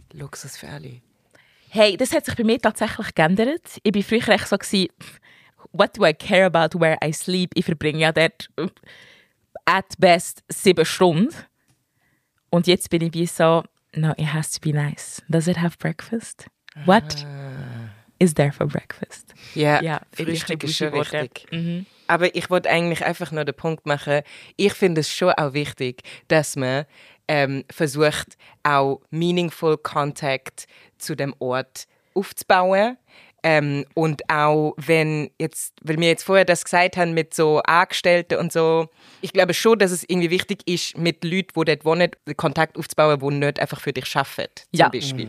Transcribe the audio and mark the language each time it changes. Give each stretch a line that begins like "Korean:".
German: Luxus für alle. Hey, das hat sich bei mir tatsächlich geändert. Ich war früher echt so,
English: what do I care about where I sleep?
German: Ich verbringe ja dort
English: at best
German: 7 Stunden. Und jetzt bin ich wie so,
English: no, it has to be nice. Does it have breakfast? What is there for breakfast?
German: Ja, Frühstück ist schon wichtig. Mhm. Aber ich wollte eigentlich einfach nur den Punkt machen, ich finde es schon auch wichtig, dass man versucht, auch
English: meaningful contact
German: zu dem Ort aufzubauen. Und auch wenn jetzt, weil wir jetzt vorher das gesagt haben mit so Angestellten und so, ich glaube schon, dass es irgendwie wichtig ist, mit Leuten, die dort wohnen, Kontakt aufzubauen, die nicht einfach für dich arbeiten, zum Beispiel.